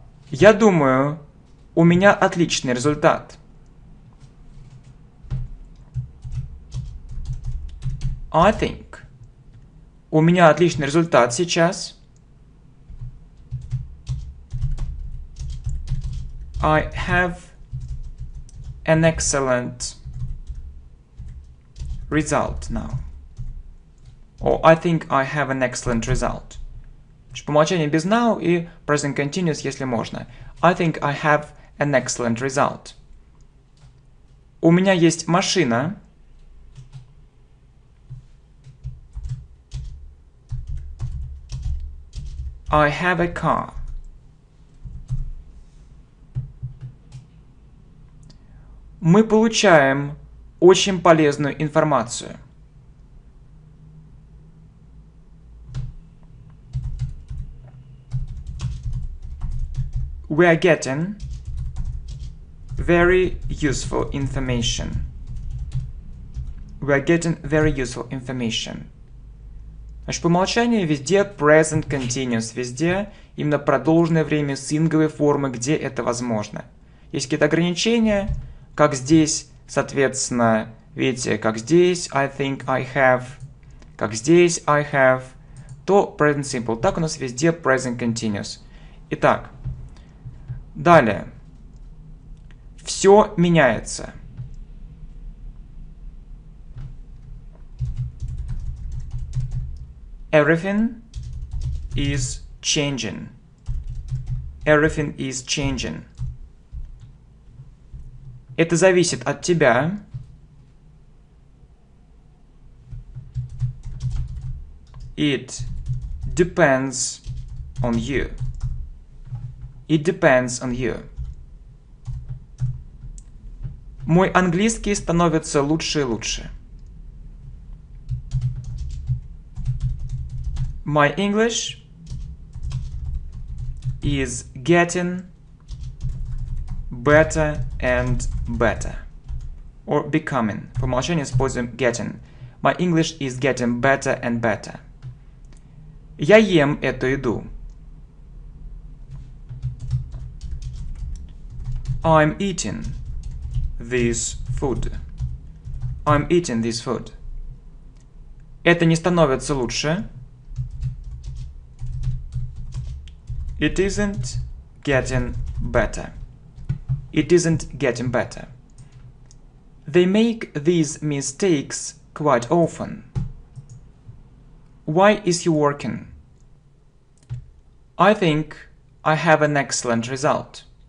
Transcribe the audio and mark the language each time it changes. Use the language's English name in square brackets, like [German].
[Russian] Я думаю, у меня отличный результат. [English] I think. [Russian] У меня отличный результат сейчас. [English] I have an excellent result now. Or I think I have an excellent result. [Russian] По умолчанию без now и present continuous, если можно. [English] I think I have an excellent result. [Russian] У меня есть машина. [English] I have a car. [Russian] Мы получаем очень полезную информацию. [English] We are getting very useful information. We are getting very useful information. [Russian] Значит, по умолчанию везде present continuous, везде именно продолженное время с инговой формы, где это возможно. Есть какие-то ограничения, как здесь. Соответственно, видите, как здесь [English] I think I have, [Russian] как здесь [English] I have, [Russian] то present simple. Так у нас везде present continuous. Итак, далее. Все меняется. [English] Everything is changing. Everything is changing. [Russian] Это зависит от тебя. [English] It depends on you. It depends on you. [Russian] Мой английский становится лучше и лучше. [English] My English is getting better and better. Or becoming. [Russian] По умолчанию используем getting. [English] My English is getting better and better. [Russian] Я ем эту еду. [English] I'm eating this food. I'm eating this food. [Russian] Это не становится лучше. [English] It isn't getting better. It isn't getting better. They make these mistakes quite often. Why is he working? I think I have an excellent result.